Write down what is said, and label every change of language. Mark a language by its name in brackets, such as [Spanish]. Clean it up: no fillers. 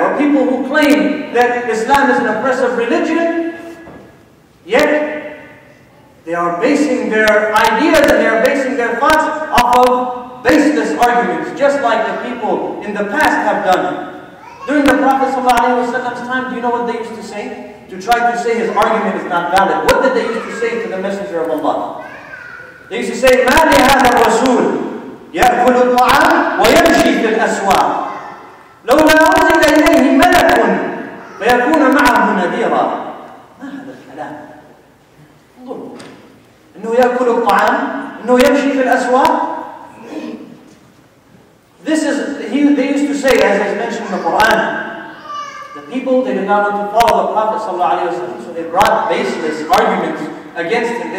[English] Or people who claim that Islam is an oppressive religion, yet they are basing their ideas and they are basing their thoughts off of baseless arguments, just like the people in the past have done. During the Prophet's time, do you know what they used to say? To try to say his argument is not valid. What did they used to say to the Messenger of Allah? They used to say, [Arabic] مَا لِهَذَا الرَّسُولِ يَأْكُلُ الطَّعَامِ وَيَمْشِي فِي الْأَسْوَاقِ لَوْ لَا أُزِلَ إِلَيْهِ مَلَكٌ فَيَكُونَ مَعَهُ نَذِيرًا. ما هذا الكلام؟ انه يأكل الطعام؟ انه يمشي في الأسواق؟ [English] They used to say, as I mentioned in the Quran, the people, they did not want to follow the Prophet ﷺ, so they brought baseless arguments against him.